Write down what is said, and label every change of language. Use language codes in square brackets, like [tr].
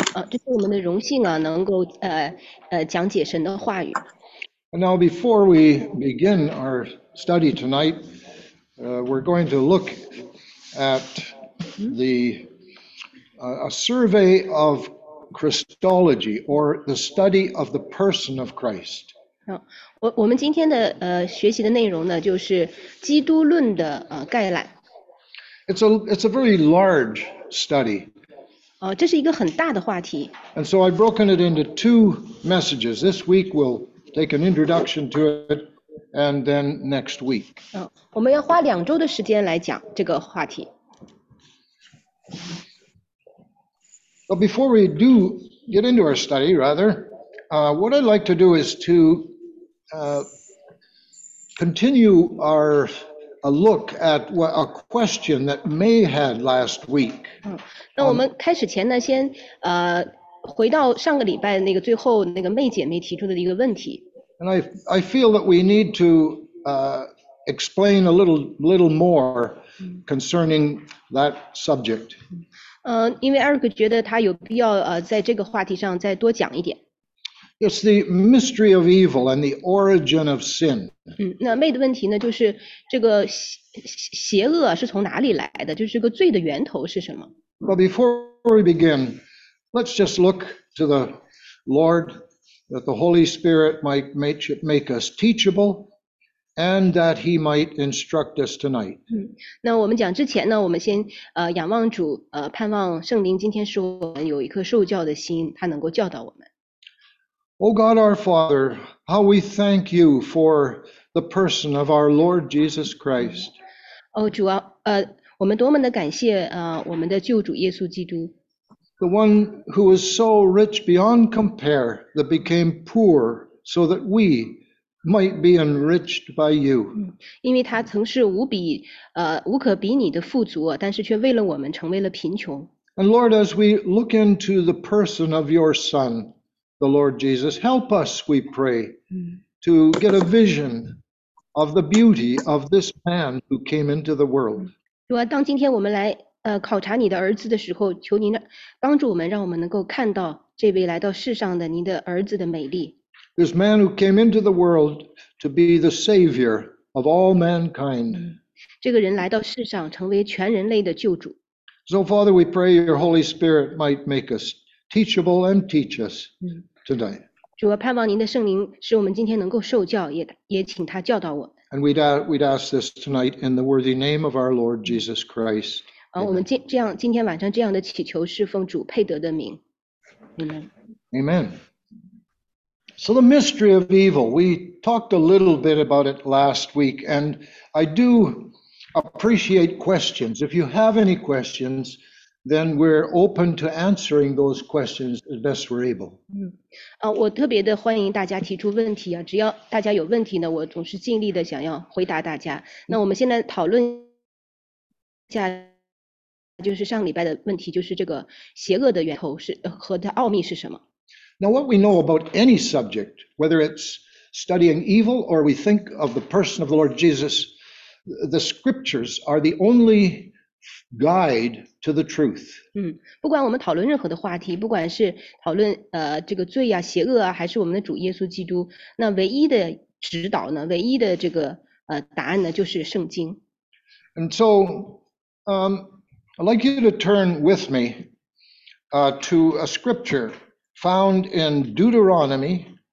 [zh] 这是我们的荣幸啊，能够讲解神的话语。 [en] Now before we begin our study tonight, we're going to look at the a survey of Christology or the study of the person of Christ. [zh] 我们今天的学习的内容呢，就是基督论的概览。 [en] It's a very large study. [zh] 这是一个很大的话题。 [en] And so I've broken it into two messages. This week we'll take an introduction to it, and then next week. [zh] 我们要花两周的时间来讲这个话题。 [en] But before we do get into our study, rather, what I'd like to do is to continue our a look at what, a question that May had last week. [zh] 那我们开始前呢，先回到上个礼拜那个最后那个May姐妹提出的一个问题。 [en] And I feel that we need to explain a little more concerning that subject. [zh] 因为 Eric 觉得他有必要在这个话题上再多讲一点。 [en] It's the mystery of evil and the origin of sin. [zh] 那 May 的问题呢，就是这个邪恶是从哪里来的，就是这个罪的源头是什么。 [en] But before we begin, let's just look to the Lord. That the Holy Spirit might make us teachable, and that He might instruct us tonight. [zh] 那我们讲之前呢，我们先仰望主，盼望圣灵今天使我们有一颗受教的心，他能够教导我们。 [en] O God, our Father, how we thank you for the person of our Lord Jesus Christ. [zh] 主啊，我们多么的感谢我们的救主耶稣基督。 [en] The one who was so rich beyond compare that became poor so that we might be enriched by you. [zh] 因为他曾是无可比拟的富足，但是却为了我们成为了贫穷。 [en] And Lord, as we look into the person of your Son, the Lord Jesus, help us, we pray, to get a vision of the beauty of this man who came into the world. [zh] 主啊，当今天我们来考察你的儿子的时候，求您帮助我们，让我们能够看到这位来到世上的您的儿子的美丽。 [en] This man who came into the world to be the savior of all mankind. [zh] 这个人来到世上，成为全人类的救主。 [en] So Father, we pray your Holy Spirit might make us teachable and teach us tonight. [zh] 主啊，盼望您的圣灵使我们今天能够受教，也请他教导我。 [en] And we'd ask this tonight in the worthy name of our Lord Jesus Christ. [zh] 我们今天晚上这样的祈求是奉主佩德的名。 [en] Amen. Amen. So the mystery of evil, we talked a little bit about it last week, and I do appreciate questions. If you have any questions, then we're open to answering those questions as best we're able. [zh] 我特别的欢迎大家提出问题啊，只要大家有问题呢，我总是尽力的想要回答大家。那我们现在讨论一下。就是上礼拜的问题，就是这个邪恶的源头是和的奥秘是什么。 [en] Now, what we know about any subject, whether it's studying evil or we think of the person of the Lord Jesus, the scriptures are the only guide to the truth. [zh] 不管我们讨论任何的话题，不管是讨论这个罪啊、邪恶啊，还是我们的主耶稣基督，那唯一的指导呢，唯一的这个答案呢，就是圣经。 [en] And so, I'd like you to turn with me to a scripture found in Deuteronomy.